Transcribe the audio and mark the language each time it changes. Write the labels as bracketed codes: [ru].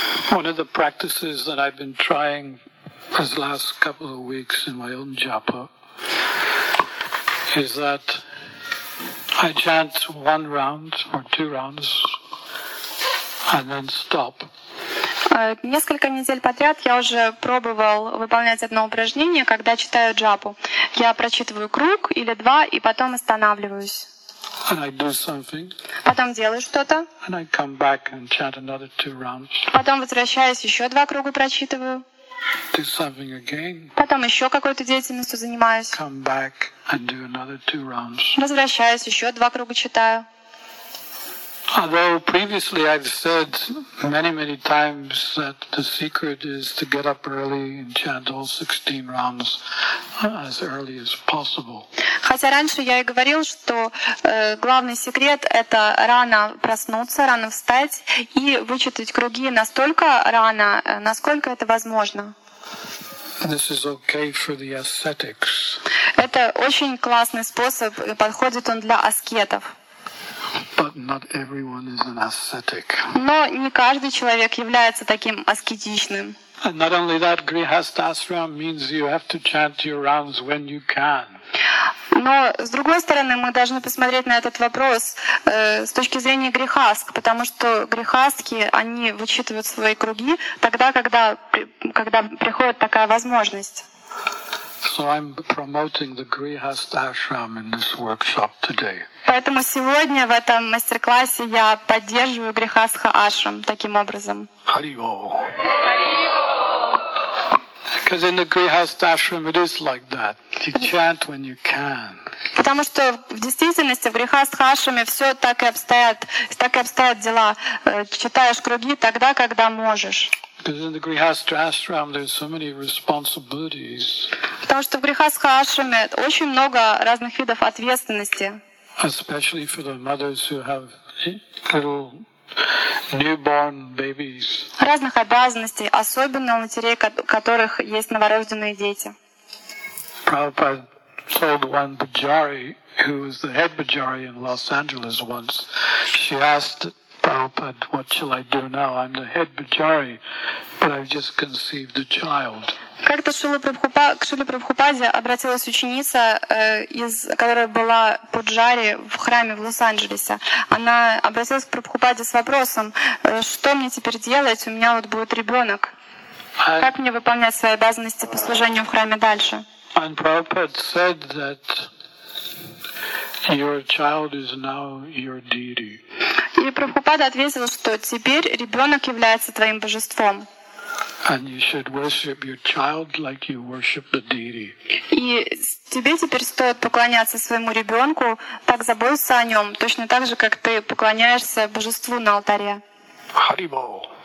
[en] One of the practices that I've been trying these last couple of weeks in my own japa is that I chant 1 round or 2 rounds and then stop. [ru] Несколько недель подряд я уже пробовал выполнять одно упражнение, когда читаю джапу. Я прочитываю круг или 2 и потом останавливаюсь. [en] And I do something. [ru] Потом делаю что-то. [en] And I come back and chant another 2 rounds. [ru] Потом возвращаюсь, еще 2 круга прочитываю. [en] Do something again. [ru] Потом еще какой-то деятельностью занимаюсь. [en] Come back and do another 2 rounds. [ru] Возвращаюсь, еще 2 круга читаю. [en] Although previously I've said many, many times that the secret is to get up early and chant all 16 rounds as early as possible. [ru] Хотя раньше я и говорил, что главный секрет — это рано проснуться, рано встать и вычитать круги настолько рано, насколько это возможно. [en] This is okay for the ascetics. [ru] Это очень классный способ, и подходит он для аскетов. [en] But not everyone is an ascetic. [ru] Но не каждый человек является таким аскетичным. [en] And not only that, grihastasram means you have to chant your rounds when you can. [ru] Но с другой стороны, мы должны посмотреть на этот вопрос с точки зрения грихаск, потому что грихаски они вычитывают свои круги тогда, когда приходит такая возможность. [en] So I'm promoting the grihastasram in this workshop today. [ru] Поэтому сегодня в этом мастер-классе я поддерживаю грихастха ашрам таким образом. [en] Because in the grihastashram it is like that. You chant when you can. [ru] Потому что в действительности в грихастхашраме все так и обстоят дела. Читаешь круги тогда, когда можешь. [en] Because in the grihastashram there's so many responsibilities. [ru] Потому что в грихастхашраме очень много разных видов ответственности. [en] Especially for the mothers who have little newborn babies. [ru] Разных обязанностей, особенно у матерей, у которых есть новорожденные дети. [en] Prabhupada told one Bajari, who was the head Bajari in Los Angeles once, she asked Prabhupada, what shall I do now? I'm the head Bajari, but I've just conceived a child. [ru] Как-то к Шриле Прабхупаде обратилась ученица, которая была пуджари в храме в Лос-Анджелесе. Она обратилась к Прабхупаде с вопросом, что мне теперь делать, у меня вот будет ребенок. Как мне выполнять свои обязанности по служению в храме дальше? [en] And Prabhupada said that your child is now your deity. [ru] И Прабхупада ответил, что теперь ребенок является твоим божеством. [en] And you should worship your child like you worship the deity. [ru] И тебе теперь стоит поклоняться своему ребенку, так заботиться о нем, точно так же, как ты поклоняешься божеству на алтаре. [sa] Hari Bol.